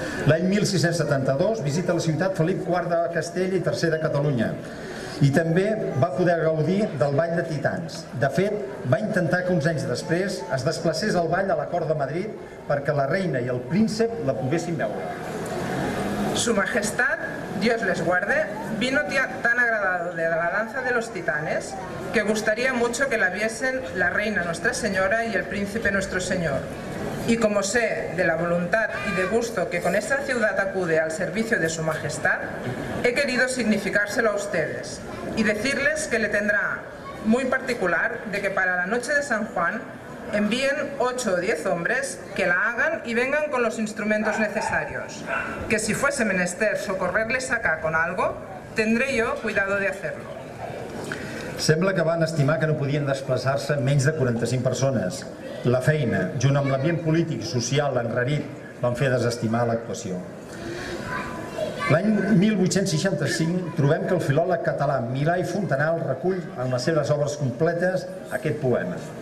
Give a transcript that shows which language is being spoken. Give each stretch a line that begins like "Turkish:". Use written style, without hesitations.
Catalan: L'any 1672 visita la ciutat Felip IV de Castella i III de Catalunya. I també va poder gaudir del ball de titans. De fet, va intentar que uns anys després es desplacés el ball a la cort de Madrid perquè la reina i el príncep la poguessin veure.
Spanish: Su majestad, Dios les guarde, vino tan agradado de la danza de los titanes que gustaría mucho que la viesen la reina nuestra señora y el príncipe nuestro señor. Y como sé de la voluntad y de gusto que con esta ciudad acude al servicio de su majestad, he querido significárselo a ustedes y decirles que le tendrá muy particular de que para la noche de San Juan envíen 8 o 10 hombres que la hagan y vengan con los instrumentos necesarios. Que si fuese menester socorrerles acá con algo, tendré yo cuidado de hacerlo.
Catalan: Sembla que van estimar que no podien desplaçar-se menys de 45 persones. La feina, junt amb l'ambient polític i social enrarit, van fer desestimar l'actuació. L'any 1865 trobem que el filòleg català Mirall Fontanals recull en les seves obres completes aquest poema.